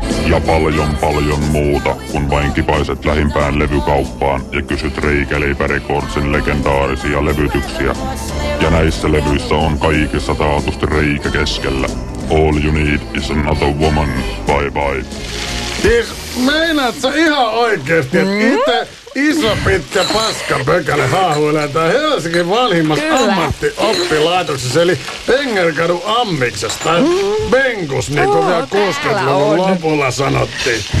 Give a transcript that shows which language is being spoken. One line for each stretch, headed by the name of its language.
Finnish: Ja paljon paljon muuta, kun vain kipaiset lähimpään levykauppaan ja kysyt Reikäleipärekordsin legendaarisia levytyksiä. Ja näissä levyissä on kaikissa taatusti reikä keskellä.
English: All you need is another woman. Bye bye.
Finnish: Siis meinaat sä ihan oikeesti, että itse iso pitkä paska pökäle haahuilee tää Helsingin vanhimmassa ammattioppilaitoksessa, eli Pengerkadun ammiksessa, tai Bengus, niin kuin vielä 60-luvun lopulla sanottiin.